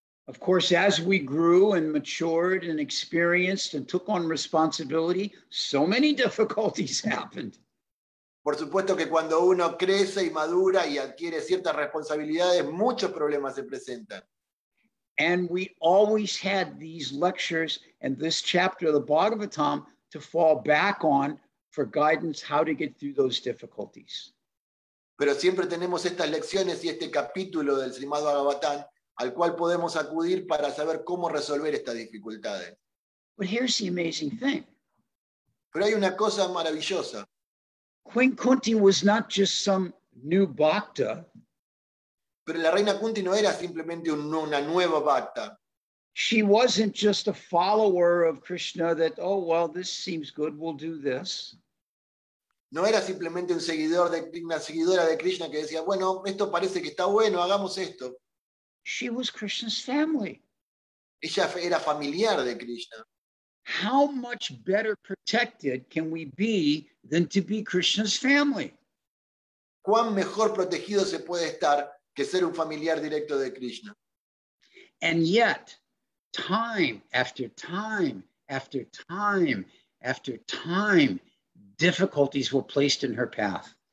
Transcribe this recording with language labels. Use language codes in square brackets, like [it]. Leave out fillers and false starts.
[en] Of course, as we grew and matured and experienced and took on responsibility, so many difficulties happened. [es] Por supuesto que cuando uno crece y madura y adquiere ciertas responsabilidades, muchos problemas se presentan. [en] And we always had these lectures and this chapter of the Bhagavatam to fall back on for guidance how to get through those difficulties. [es] Pero siempre tenemos estas lecciones y este capítulo del Srimad Bhagavatam al cual podemos acudir para saber cómo resolver estas dificultades. [en] But here's the amazing thing. [es] Pero hay una cosa maravillosa. [en] Queen Kunti was not just some new bhakta. [es] Pero la reina Kunti no era simplemente una nueva bhakta. [en] She wasn't just a follower of Krishna that, oh, well, this seems good, we'll do this. [es] No era simplemente un seguidor de Krishna, seguidora de Krishna que decía, bueno, esto parece que está bueno, hagamos esto. [en] She was Krishna's family. [es] Ella era familiar de Krishna. [en] How much better protected can we be than to be Krishna's family? [es] ¿Cuán mejor protegido se puede estar que ser un familiar directo de Krishna? [en] And yet, time after time after time after time, difficulties were placed in her path.